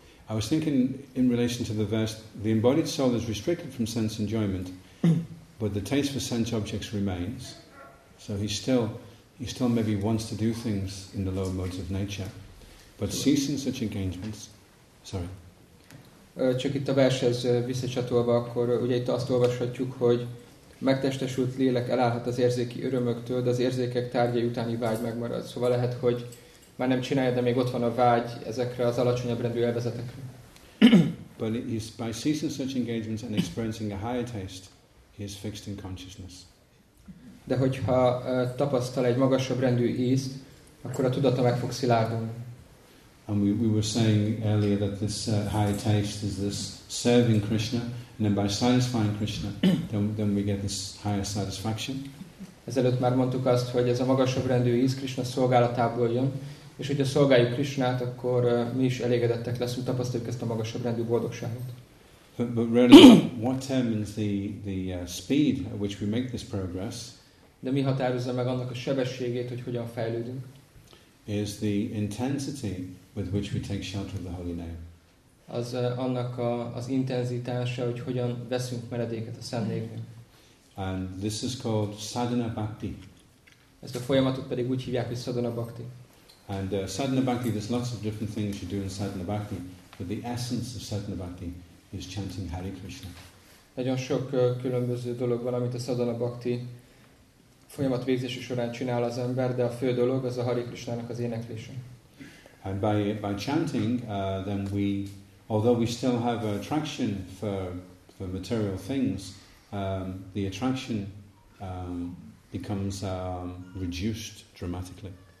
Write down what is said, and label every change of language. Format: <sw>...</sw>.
<en>I was thinking in relation to the verse, the embodied soul is restricted from sense enjoyment, but the taste for sense objects remains. So he still maybe wants to do things in the lower modes of nature. But ceasing such engagements, sorry.</en> <hu>Csak itt a vershez visszacsatolva, akkor ugye itt azt olvashatjuk, hogy megtestesült lélek elállhat az érzéki örömöktől, de az érzékek tárgyai utáni vágy megmarad. Szóval lehet, hogy már nem csinálja, de még ott van a vágy ezekre az alacsonyabb rendű élvezetekre.</hu> <en>But he is by ceasing such engagements and experiencing a higher taste, he is fixed in consciousness.</en> <hu>De hogyha tapasztal egy magasabb rendű ízt, akkor a tudata meg fog szilárdulni.</hu> <en>And we were saying earlier that this higher taste is this serving Krishna, and then by satisfying Krishna, then we get this higher satisfaction.</en> <hu>Ezelőtt már mondtuk azt, hogy ez a magasabb rendű íz Krishna szolgálatából jön, és hogyha szolgáljuk Krishnát, akkor mi is elégedettek leszünk, tapasztaljuk ezt a magasabb rendű boldogságot.</hu> <en>But really, what determines the speed at which we make this progress?</en> <hu>De mi határozza meg annak a sebességét, hogy hogyan fejlődünk?</hu> <en>Is the intensity with which we take shelter of the holy name.</en> <hu>Az annak az intenzitása, hogy hogyan veszünk meredéket a szent névnél.</hu> <en>And this is called sadhana bhakti.</en> <hu>Ezt a folyamatot pedig úgy hívják, hogy sadhana bhakti.</hu> <en>And sadhana bhakti, there's lots of different things you do in sadhana bhakti, but the essence of sadhana bhakti is chanting Hare Krishna.</en> <hu>Nagyon sok különböző dolog van, amit a sadhana bhakti folyamat végzési során csinál az ember, de a fő dolog az a Hare Krishnának az éneklése.</hu> <en>And by chanting, then we, although we still have an attraction for material things, the attraction becomes reduced dramatically.</en>